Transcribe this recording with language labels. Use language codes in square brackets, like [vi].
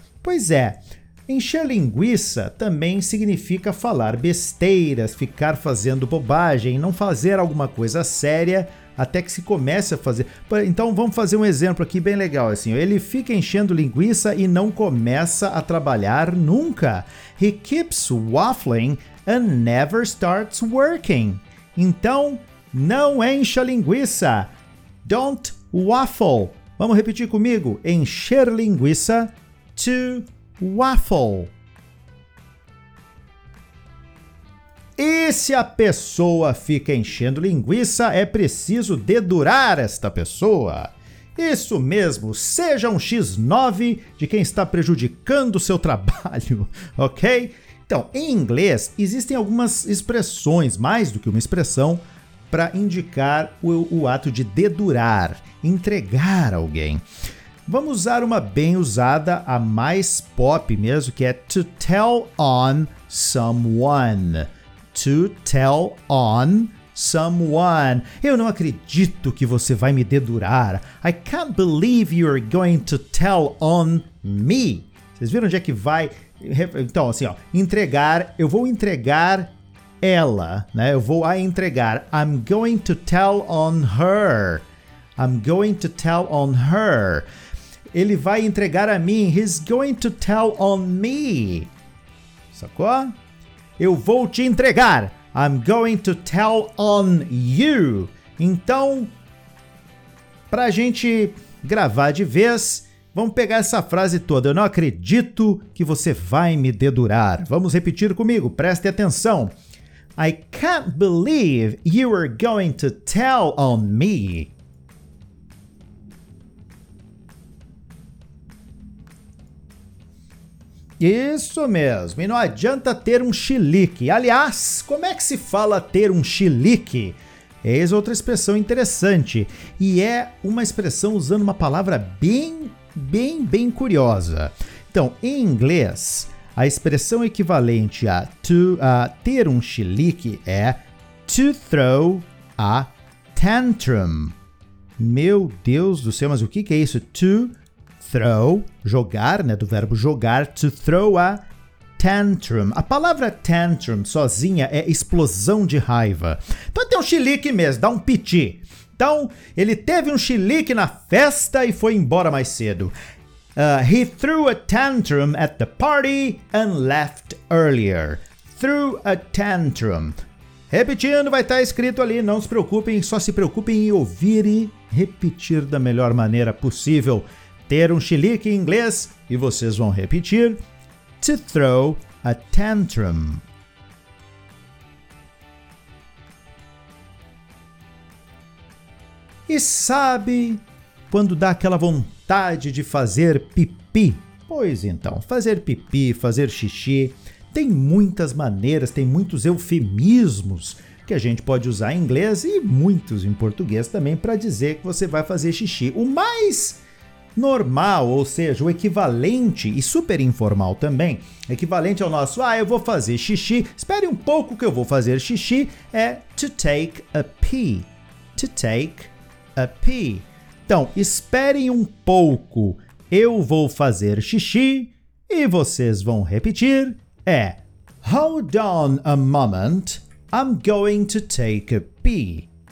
[pt] Pois é, encher linguiça também significa falar besteiras, ficar fazendo bobagem, não fazer alguma coisa séria até que se comece a fazer. Então vamos fazer um exemplo aqui bem legal. Assim, ele fica enchendo linguiça e não começa a trabalhar nunca. [en] He keeps waffling and never starts working. [pt] Então, não encha linguiça. [en] Don't waffle. [pt] Vamos repetir comigo. Encher linguiça. [en] To waffle. [pt] E se a pessoa fica enchendo linguiça, é preciso dedurar esta pessoa. Isso mesmo. Seja um X9 de quem está prejudicando o seu trabalho. Ok? Então, em inglês, existem algumas expressões, mais do que uma expressão, para indicar o ato de dedurar, entregar alguém. Vamos usar uma bem usada, a mais pop mesmo, que é [en] to tell on someone. To tell on someone. [pt] Eu não acredito que você vai me dedurar. [en] I can't believe you're going to tell on me. [pt] Vocês viram onde é que vai? Então, assim, ó, entregar, eu vou entregar ela, né? Eu vou a entregar. [en] I'm going to tell on her. I'm going to tell on her. [pt] Ele vai entregar a mim. [en] He's going to tell on me. [pt] Sacou? Eu vou te entregar. [en] I'm going to tell on you. [pt] Então, pra gente gravar de vez, vamos pegar essa frase toda. Eu não acredito que você vai me dedurar. Vamos repetir comigo. Preste atenção. [en] I can't believe you are going to tell on me. [pt] Isso mesmo. E não adianta ter um chilique. Aliás, como é que se fala ter um chilique? Eis outra expressão interessante. E é uma expressão usando uma palavra bem curiosa. Então, em inglês, a expressão equivalente a ter um chilique é [en] to throw a tantrum. [pt] Meu Deus do céu, mas o que é isso? To throw, jogar, né? Do verbo jogar, [en] to throw a tantrum. [pt] A palavra tantrum sozinha é explosão de raiva. Então tem um chilique mesmo, dá um piti. Então, ele teve um chilique na festa e foi embora mais cedo. [en] He threw a tantrum at the party and left earlier. Threw a tantrum. [pt] Repetindo, vai estar escrito ali. Não se preocupem, só se preocupem em ouvir e repetir da melhor maneira possível. Ter um chilique em inglês e vocês vão repetir. [en] To throw a tantrum. [pt] E sabe quando dá aquela vontade de fazer pipi? Pois então, fazer pipi, fazer xixi, tem muitas maneiras, tem muitos eufemismos que a gente pode usar em inglês e muitos em português também para dizer que você vai fazer xixi. O mais normal, ou seja, o equivalente e super informal também, equivalente ao nosso, ah, eu vou fazer xixi, espere um pouco que eu vou fazer xixi, é [en] to take a pee, to take a pee. [pt] Então, esperem um pouco, eu vou fazer xixi e vocês vão repetir. [en] É, hold on a moment, I'm going to take a pee.